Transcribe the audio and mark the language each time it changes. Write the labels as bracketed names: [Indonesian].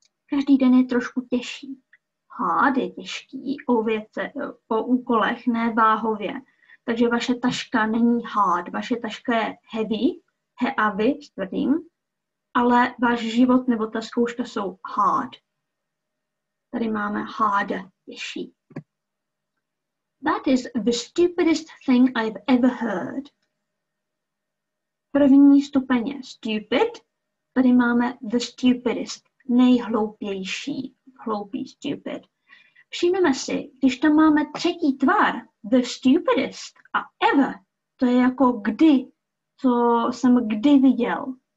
[Czech] Každý den je trošku těžší. Hard je těžký o věce, o úkolech, ne váhově. Takže vaše taška není hard. Vaše taška je heavy. Heavy, tvrdím. Ale váš život nebo ta zkouška jsou hard. Tady máme hard, těžší. [English] That is the stupidest thing I've ever heard. [Czech] První stupeň je stupid. Tady máme the stupidest, nejhloupější, hloupý, stupid. Všimneme si, když tam máme třetí tvar, the stupidest a ever, to je jako kdy, co jsem kdy viděl.